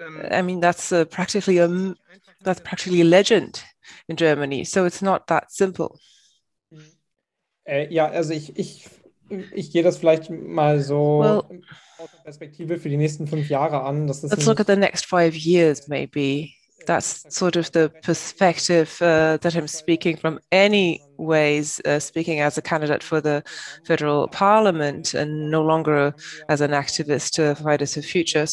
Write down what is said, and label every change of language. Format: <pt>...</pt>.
<en>I mean, that's practically a legend in Germany, so it's not that simple.</en> <de>Ja, also ich gehe das vielleicht mal so aus der Perspektive für die nächsten 5 Jahre an.</de> <en>Let's look at the next 5 years, maybe. That's sort of the perspective that I'm speaking from anyways, speaking as a candidate for the federal parliament and no longer as an activist to fight us a future.</en>